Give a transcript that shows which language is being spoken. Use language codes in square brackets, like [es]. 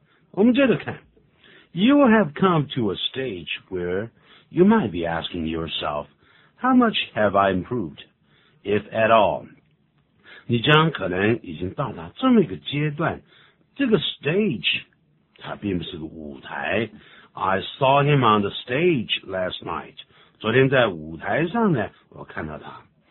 [zh] 我们接着看 [en] ,you have come to a stage where you might be asking yourself,How much have I improved, if at all? [zh] 你将可能已经到达这么一个阶段，这个 stage 它并不是个舞台。 [en] I saw him on the stage last night. [zh] 昨天在舞台上呢，我看到他。